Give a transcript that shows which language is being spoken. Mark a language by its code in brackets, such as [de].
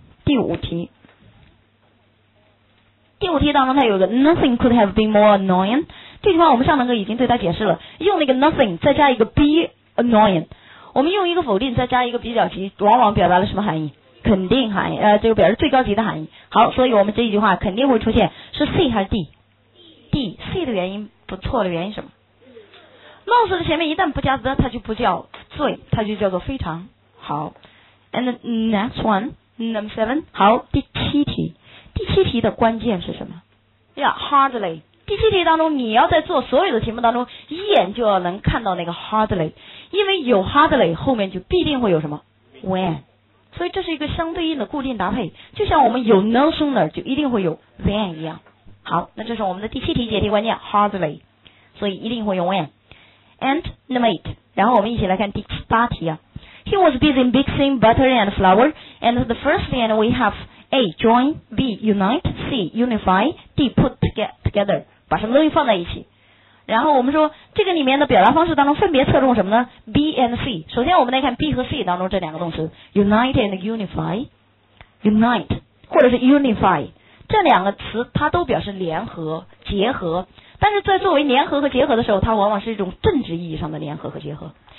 [zh] 第五题，第五题当中它有个 [en] nothing could have been more annoying， [zh] 这句话我们上堂课已经对它解释了，用那个 nothing 再加一个 be annoying， 我们用一个否定再加一个比较级，往往表达了什么含义？肯定含义，这个表示最高级的含义。好，所以我们这一句话肯定会出现，是 C 还是 D？ D， C 的原因不错的原因什么？Most 的前面一旦不加 the， 它就不叫最，它就叫做非常。 [en] 好， and the next one number seven， [zh] 好，第七题。第七题的关键是什么？Yeah， hardly。第七题当中你要在做所有的题目当中一眼就要能看到那个 hardly， 因为有 hardly 后面就必定会有什么 when， 所以这是一个相对应的固定搭配，就像我们有 no sooner 就一定会有 when 一样。好，那这是我们的第七题解题关键 hardly， 所以一定会用 when。 [en] And number eight， [zh] 然后我们一起来看第八题啊。 [en] He was busy mixing butter and flour and the first thing we haveA. join B. unite C. unify D. [zh] put together 把什么东西放在一起，然后我们说这个里面的表达方式当中分别侧重什么呢？ [en] B and C。 [zh] 首先我们来看 B 和 C 当中这两个动词 unite and unify， unite 或者是 unify， 这两个词它都表示联合结合，但是在作为联合和结合的时候它往往是一种政治意义上的联合和结合。